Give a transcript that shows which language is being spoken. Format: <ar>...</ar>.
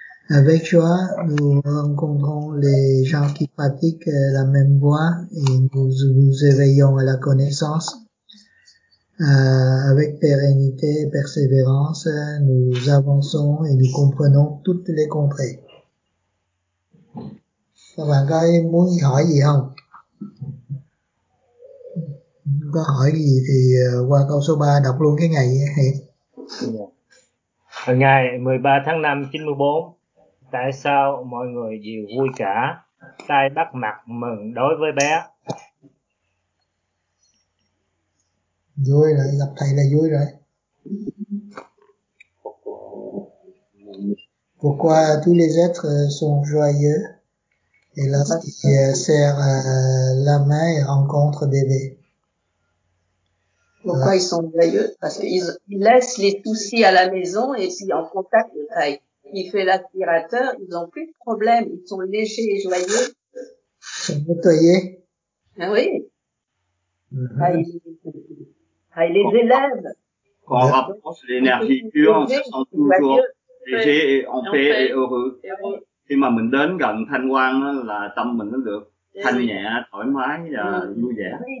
<fr>Avec joie, nous rencontrons les gens qui pratiquent la même voie et nous nous éveillons à la connaissance. Avec pérennité et persévérance, nous avançons et nous comprenons toutes les contrées.</fr> <vi>Các bạn có ai muốn hỏi gì không? Có hỏi gì thì qua câu số 3 đọc luôn cái ngày. Ngày 13 tháng 5, 94. Tại sao mọi người đều vui cả, tay bắt mặt mừng đối với bé? Vui rồi, gặp thầy là vui rồi.</vi> <fr>Pourquoi tous les êtres sont joyeux et lorsqu'ils serrent la main et rencontrent bébé? Pourquoi ils sont joyeux? Parce qu'ils laissent les soucis à la maison et puis en contact avec taille. Il fait l'aspirateur, ils n'ont plus de problème, ils sont légers et joyeux. Ils sont nettoyés. Ah oui. Mm-hmm. Ah, ils les élèvent. Quand on rapproche l'énergie pure, on se sent toujours léger et en paix et heureux.</fr> <vi>khi mà mình đến gần thanh quan là tâm mình nó được thanh nhẹ, thoải mái và vui vẻ.</vi>